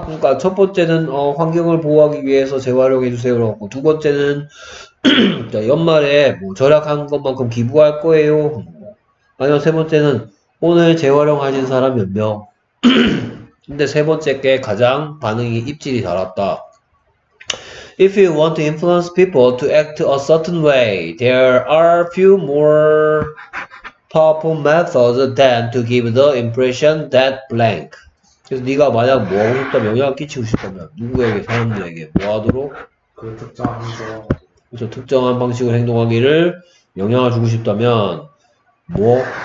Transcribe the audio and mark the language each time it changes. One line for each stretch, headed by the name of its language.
Korean: 그러니까 첫 번째는 환경을 보호하기 위해서 재활용해 주세요 라고 두 번째는 자, 연말에 뭐 절약한 것만큼 기부할 거예요 아니면 세 번째는 오늘 재활용하신 사람 몇 명 근데 세 번째 게 가장 반응이 입질이 달았다.
English: If you want to influence people to act a certain way, there are few more powerful methods than to give the impression that blank.
Korean: 그래서 네가 만약 뭐 하고 싶다, 영향을 끼치고 싶다면 누구에게, 사람들에게 뭐 하도록? 그 특정한 방식으로. 그래서 특정한 방식으로 행동하기를 영향을 주고 싶다면 뭐?